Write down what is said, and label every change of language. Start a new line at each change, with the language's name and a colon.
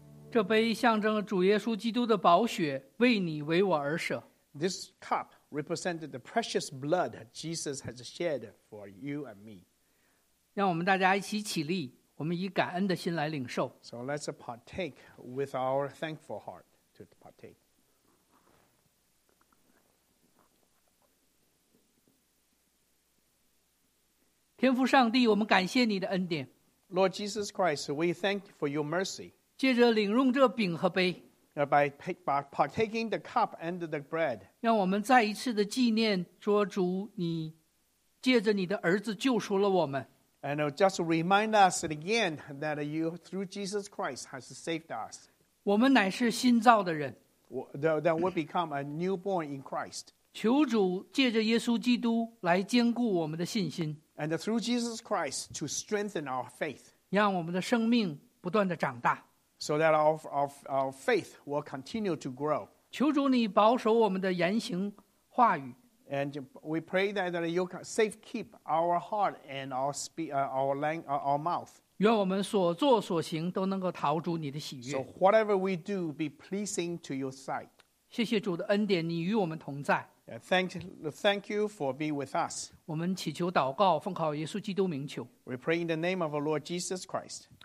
Chinese: 这杯象征主耶稣基督的宝血，为你为我而舍。
English: This cup represented the precious blood Jesus has shed for you and me.
Chinese: 让我们大家一起起立，我们以感恩的心来领受。
English: So let's partake with our thankful heart to partake.
Chinese: 天父上帝，我们感谢你的恩典。
English: Lord Jesus Christ, we thank you for your mercy.
Chinese: 借着领用这饼和杯
English: by partaking the cup and the bread,
Chinese: 让我们再一次的纪念说主你借着你的儿子救赎了我们。
English: And just remind us again that you through Jesus Christ has saved us.
Chinese: 我们乃是新造的人。
English: That we become a newborn in Christ.
Chinese: 求主借着耶稣基督来坚固我们的信心。
English: And through Jesus Christ to strengthen our faith.
Chinese: 让我们的生命不断地长大。
English: So that our faith will continue to grow.
Chinese: 求主你保守我们的言行话语。
English: And we pray that you safe keep our heart and our mouth.
Chinese: 愿我们所做所行都能够讨主你的喜悦。
English: So whatever we do be pleasing to your sight.
Chinese: 谢谢主的恩典，你与我们同在。
English: Thank you for being with us.
Chinese: 我们祈求祷告，奉靠耶稣基督名求。
English: We pray in the name of our Lord Jesus Christ.